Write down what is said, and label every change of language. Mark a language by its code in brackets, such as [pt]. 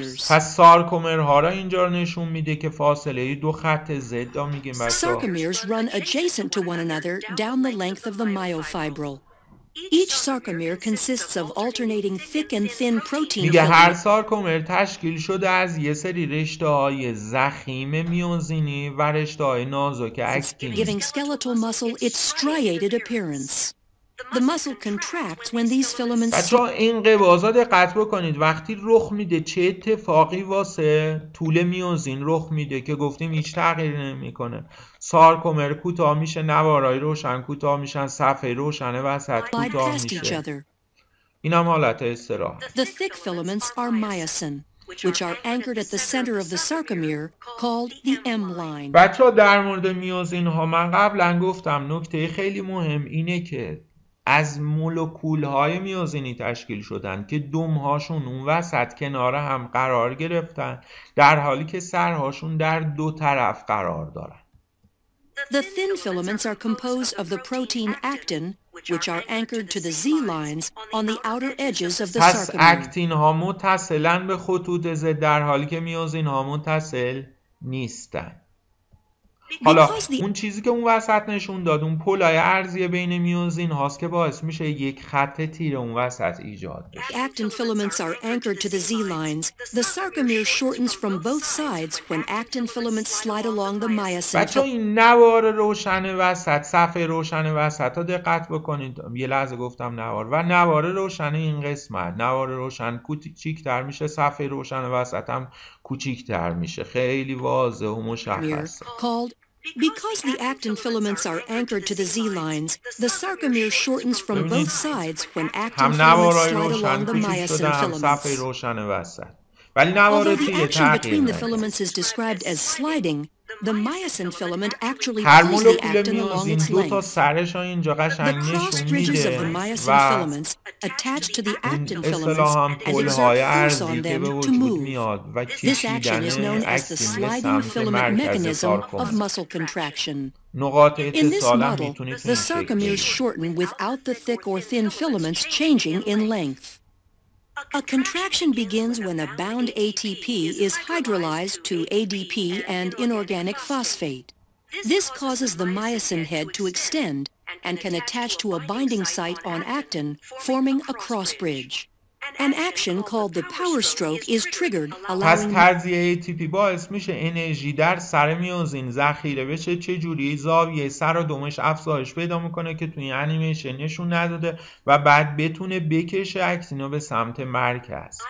[fa] پس سارکومر ها را اینجا نشون میده که فاصله ای دو خط زد میگیم. [en] Sarcomeres run adjacent to one another down the length of the myofibril. Each sarcomere consists of alternating thick and thin protein. [fa] میگه هر سارکومر تشکیل شده از یه سری رشته های زخیم میوزینی و رشته های نازک اکتینی. [en] Giving skeletal muscle its striated appearance. The muscle contracts when these filaments. [fa] بچه ها این قباز ها دقت بکنید، وقتی رخ میده چه اتفاقی واسه طول میوزین رخ میده که گفتیم هیچ تغییری نمیکنه. سارکومر کوتاه میشه، نوارای روشن کوتاه میشن، صفحه روشن وسط کوتاه میشه. این هم حالت استراحت. [en] The thick filaments are myosin, which are anchored at the center of the sarcomere called the M line. [fa] بچه ها در مورد میوزین ها من قبلا گفتم نکته خیلی مهم اینه که از مولکول های میوزینی تشکیل شدن که دم هاشون اون وسط کنار هم قرار گرفتن در حالی که سرهاشون در دو طرف قرار دارن. [en] The thin filaments are composed of the protein actin which are anchored to the Z lines on the outer edges of the sarcomere. [fa] پس اکتین ها متصلن به خطوط Z در حالی که میوزین ها متصل نیستن. حالا اون چیزی که اون وسط نشون داد اون پلای عرضی بین میوزین هاست که باعث میشه یک خط تیره اون وسط ایجاد بشه. [en] The actin filaments are anchored to the Z lines. The sarcomere shortens from both sides when actin filaments slide along the myosin. [fa] بچه این نوار روشن وسط، صفحه روشن وسط ها دقت بکنید. یه لحظه گفتم نوار و نوار روشن این قسمت. نوار روشن کوچیک‌تر میشه، صفحه روشن وسط هم کوچیک‌تر میشه. خیلی واضح و مشخص. [en] Because the actin filaments are anchored to the Z lines, the sarcomere shortens from both sides when actin filaments slide along the myosin filaments. Although the action between the filaments is described as sliding, the myosin filament actually pulls the actin along its length. The cross bridges of the myosin filaments attach to the actin filaments and exert force on them to move. This action is known as the sliding filament mechanism of muscle contraction. In this model, the sarcomeres shorten without the thick or thin filaments changing in length. A contraction begins when a bound ATP is hydrolyzed to ADP and inorganic phosphate. This causes the myosin head to extend and can attach to a binding site on actin, forming a cross bridge. An action called the power stroke is triggered, allowing. [fa] پس تجزیه ATP باعث میشه انرژی در سر میوزین ذخیره بشه. چه جوری؟ زاویه سر و دمش افزایش پیدا میکنه که توی انیمیشن نشون نداده و بعد بتونه بکشه اکتین رو به سمت مرکز.